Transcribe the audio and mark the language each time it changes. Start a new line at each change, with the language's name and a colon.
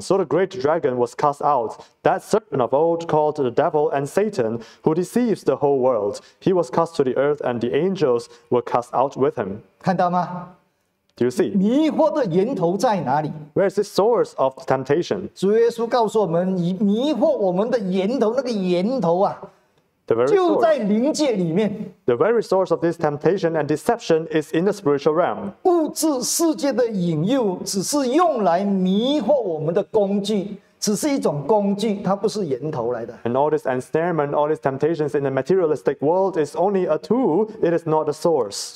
English: So the great dragon was cast out, that serpent of old called the devil and Satan, who deceives the whole world. He was cast to the earth, and the angels were cast out with him.
Chinese: 看到吗？
English: Do you see?
Chinese: 迷惑的源头在哪里？
English: Where is the source of temptation?
Chinese: 主耶稣告诉我们，迷惑我们的源头，那个源头啊，
English: the very
Chinese: 就在灵界里面。
English: The very source of this temptation and deception is in the spiritual realm.
Chinese: 物质世界的引诱只是用来迷惑我们的工具，只是一种工具，它不是源头来的。
English: And all this ensnarement, all these temptations in the materialistic world is only a tool, it is not the source.